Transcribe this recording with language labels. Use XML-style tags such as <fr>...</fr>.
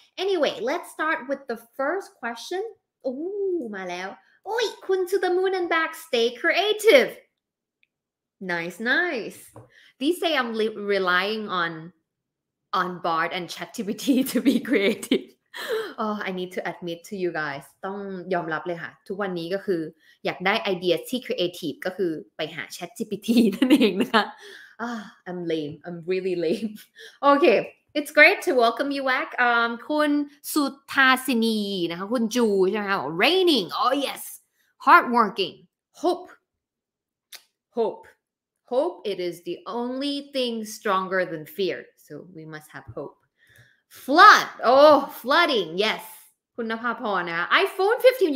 <en>Anyway, let's start with the first question. Ooh, my love. Oi, Kun to the moon and back. Stay creative. Nice, nice. These days I'm relying on Bard and ChatGPT to be creative. Oh, I need to admit to you guys.</en> <th>ต้องยอมรับเลยค่ะทุกวันนี้ก็คืออยากได้ไอเดียที่ creative ก็คือไปหา ChatGPT นั่นเองนะคะ</th> <en>Oh, I'm lame. I'm really lame. Okay, it's great to welcome you back.</en> <th>คุณสุทาสินีนะคะคุณจูใช่ไหมคะ Raining.</th> <en>Oh, yes. Hardworking. Hope. Hope it is the only thing stronger than fear. So we must have hope. Flood. Oh, flooding. Yes.</en> <th>คุณภาพรนะ iPhone 15.</th>